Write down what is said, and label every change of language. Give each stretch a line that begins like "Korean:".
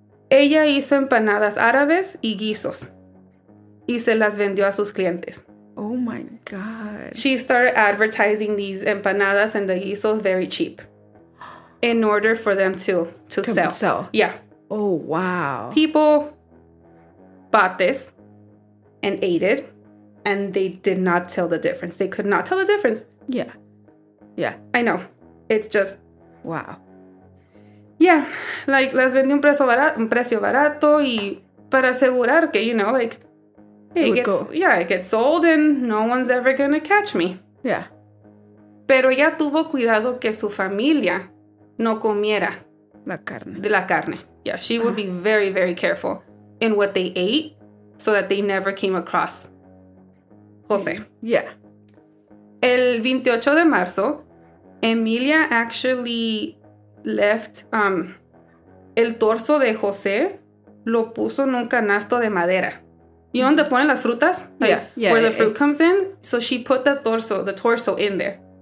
Spanish: Ella hizo empanadas árabes y guisos y se las vendió a sus clientes.
English: Oh, my God. She started advertising these empanadas and the guisos very cheap in order for them to sell. Yeah. Oh, wow. People bought this and ate it, and they did not tell the difference. They could not tell the difference. Yeah. Yeah. I know. It's just... Wow. Yeah. Like,
Spanish: las vendí un precio barato y para asegurar que,
English: you know, like... It gets sold and no one's ever going to catch me. Yeah.
Spanish: Pero ella tuvo cuidado que su familia no comiera. La carne. De la carne.
English: Yeah, she would be very, very careful in what they ate so that they never came across José. Yeah.
Spanish: El 28 de marzo, Emilia
English: actually left
Spanish: el torso de José, lo puso en un canasto de madera.
English: You know,
Spanish: donde ponen las frutas?
English: Like, yeah. Where the fruit comes in. So she put the torso in there.